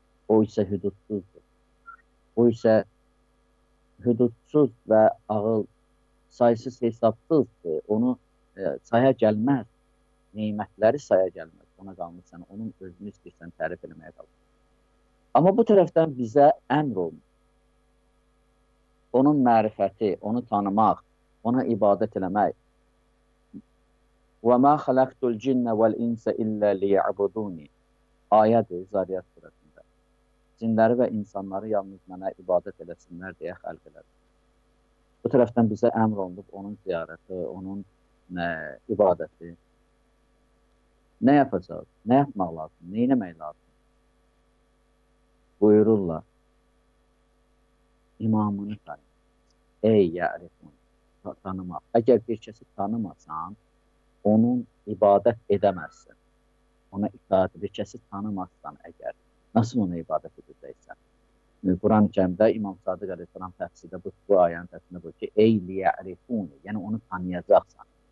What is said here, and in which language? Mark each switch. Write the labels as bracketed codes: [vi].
[az] O isə hüdudsuzdur. O isə hüdudsuz və ağıl sayısız hesabsızdır, onu saya gəlməz, nimətləri saya gəlməz, ona qalmışsan, onun özünü istəyirsən tərif eləməyə qalmışsan. Amma bu tərəfdən bizə əmr olmur. Onun mərifəti, onu tanımaq, ona ibadət eləmək. [ar] وَمَا خَلَقْتُ الْجِنَّ وَالْاِنْسَ اِلَّا لِيَعْبُدُونِي [az] Ayədir, Zariyat Suresi. Cinləri və insanları yalnız mənə ibadət eləsinlər deyə xəlq elədi. Bu tərəfdən bizə əmr olunub onun ziyarəti, onun ibadəti. Nə yapacaq, nə yapmaq lazım, nə inəmək lazım? Buyururlar, imamını tanım. Ey yərifun, tanımaq. Əgər bir kəsi tanımasan, onun ibadət edəməzsin. Ona itaat, bir kəsi tanımasan əgər. Nasıl ona ibadət edəcəksən? Quran-ı Kərimdə İmam Sadıq Əleyhisselam təfsirdə bu ayənin təfsirində buyurur ki, ey liya'rifuni, yəni onu tanıyacaqsan.